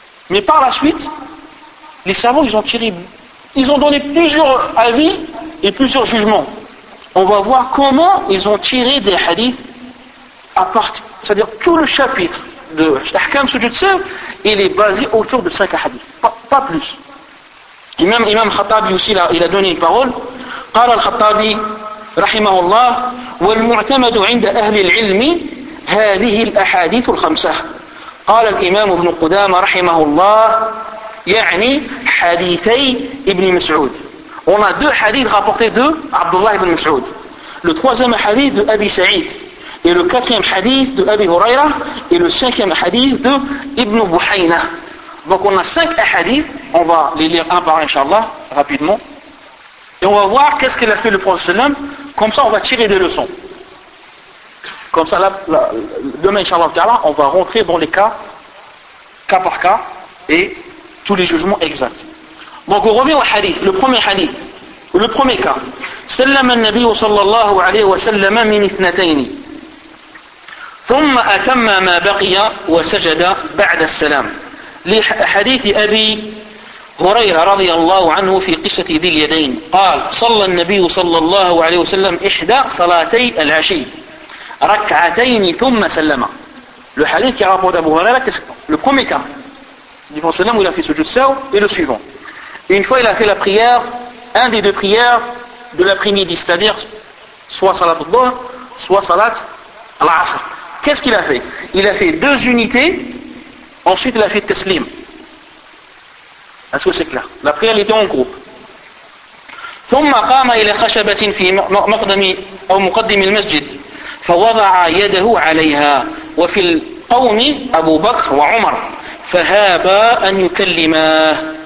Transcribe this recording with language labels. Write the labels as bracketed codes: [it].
[fr] Mais par la suite, les savants ils ont donné plusieurs avis et plusieurs jugements. On va voir comment ils ont tiré des hadiths à partir, c'est-à-dire tout le chapitre de l'Ahkam Sujud Sahw, il est basé autour de 5 hadiths, pas plus. Imam Khattabi aussi, il a donné une parole. [ar] قال الخطابي رحمه الله والمعتمد عند أهل العلم هذه الأحاديث الخمسة. قال الإمام ابن قدامة رحمه الله يعني حديثي ابن مسعود. [fr] On a 2 hadiths rapportés de Abdullah ibn Mas'ud. Le troisième hadith de Abi Sa'id. Et le quatrième hadith de Abi Huraira et le cinquième hadith de Ibn Buhayna. Donc on a 5 hadiths, on va les lire un par un, inshallah, rapidement. Et on va voir qu'est-ce qu'il a fait le Prophète, comme ça on va tirer des leçons. Comme ça, demain, inshallah, on va rentrer dans les cas par cas, et tous les jugements exacts. Donc on revient au hadith, le premier hadith, le premier cas. [ar] Sallama al-Nabi wa sallallahu alayhi wa sallama min ithnatayni. ثم أتم ما بقي وسجد بعد السلام لحديث أبي هريرة رضي الله عنه في قصة ذي اليدين قال صلى النبي صلى الله عليه وسلم إحدى صلاتي العشي ركعتين ثم سلم الحديث كما قال أبو هريرة [fr] le premier cas du Prophète [ar] صلى الله عليه وسلم [fr] il a fait sujoud sahw et le suivant. Une fois il a fait la prière, un des 2 prières de l'après-midi, c'est-à-dire soit salat al-dhuhr soit salat al-asr. Qu'est-ce qu'il a fait? Il a fait 2 unités, ensuite il a fait teslim. Est-ce que c'est clair? La prière était en groupe. [ar] ثم قام إلى خشبة في مقدم أو مقدم المسجد فوضع يده عليها وفي القوم أبو بكر وعمر فهابا أن يكلماه